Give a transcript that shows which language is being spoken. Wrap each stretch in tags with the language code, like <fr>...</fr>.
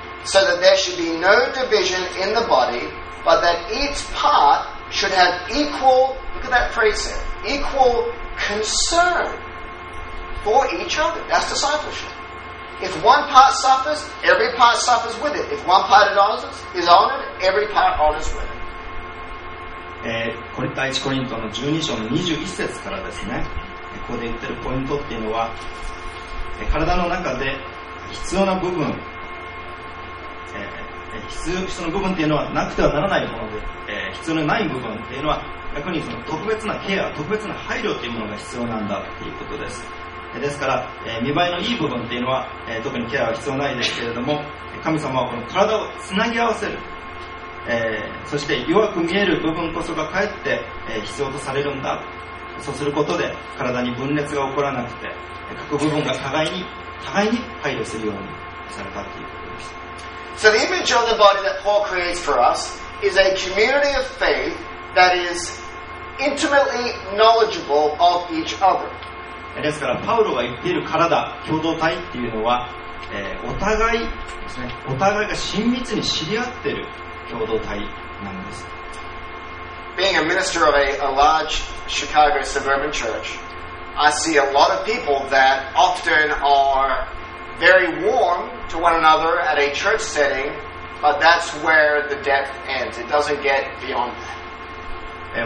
<en>so that there should be no division in the body, but that each part should have equal, look at that phrase there, equal concern for each other. That's discipleship. If one part suffers, every part suffers with it. If one part is honored, every part honors with it.</en> <ja>これ第1コリントの12章の21節からですね、ここで言ってるポイントっていうのは、体の中で必要な部分、必要な部分っていうのはなくてはならないもので、必要のない部分っていうのは逆にその特別なケア、特別な配慮っていうものが必要なんだっていうことです。ですから、見栄えのいい部分っていうのは、特にケアは必要ないですけれども、神様はこの体をつなぎ合わせる、そして弱く見える部分こそがかえって、必要とされるんだ。そうすることで体に分裂が起こらなくて、各部分が互いに配慮するようにされたということです。</ja> <en>So the image of the body that Paul creates for us is a community of faith that is intimately knowledgeable of each other.</en> <ja>ですからパウロが言っている体、共同体っていうのは、お互いですね、お互いが親密に知り合っている共同体なんです。</ja> <en>Being a minister of a large Chicago suburban church, I see a lot of people that often are very warm to one another at a church setting, but that's where the depth ends. It doesn't get beyond that.</en>